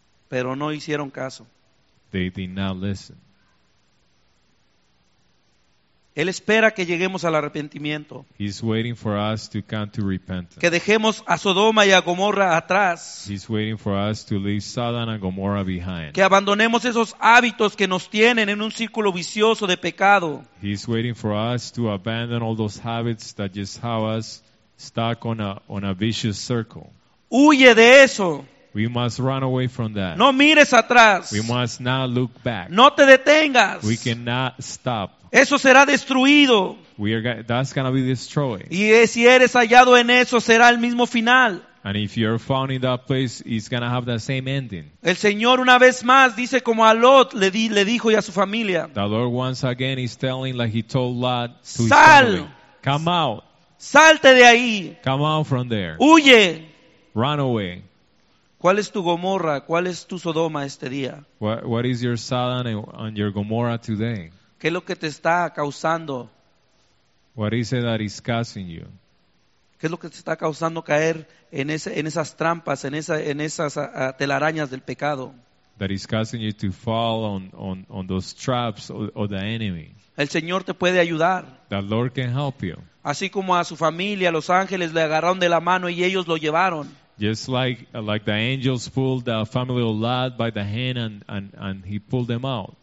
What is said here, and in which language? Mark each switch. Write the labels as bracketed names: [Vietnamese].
[Spanish] Pero no hicieron caso. [English] They did not listen. [Spanish] Él espera que lleguemos al arrepentimiento. [English] He's waiting for us to come to repentance. [Spanish] Que dejemos a Sodoma y a Gomorra atrás. [English] He's waiting for us to leave Sodom and Gomorrah behind. [Spanish] Que abandonemos esos hábitos que nos tienen en un círculo vicioso de pecado. [English] He's waiting for us to abandon all those habits that just have us stuck on a vicious circle. [Spanish] Huye de eso. [English] We must run away from that. [Spanish] No mires atrás. [English] We must not look back. [Spanish] No te detengas. [English] We cannot stop. [Spanish] Eso será destruido. [English] That's going to be destroyed. [Spanish] Y si eres hallado en eso, será el mismo final. [English] And if you're found in that place, it's going to have the same ending. [Spanish] El Señor una vez más dice como a Lot le dijo y a su familia. [English] The Lord once again is telling like he told Lot to his family. Come out. [Spanish] Salte de ahí. [English] Come out from there. [Spanish] Huye. [English] Run away. [Spanish] ¿Cuál es tu Gomorra? ¿Cuál es tu Sodoma este día? [English] What is your Sodom and your Gomorrah today? [Spanish] ¿Qué es lo que te está causando? [English] What is it that is causing you? [Spanish] ¿Qué es lo que te está causando caer en esas trampas, en esas telarañas del pecado? [English] That is causing you to fall on those traps of the enemy. [Spanish] El Señor te puede ayudar. [English] The Lord can help you. [Spanish] Así como a su familia, los ángeles le agarraron de la mano y ellos lo llevaron. [English] Just like the angels pulled the family of Lot by the hand and he pulled them out.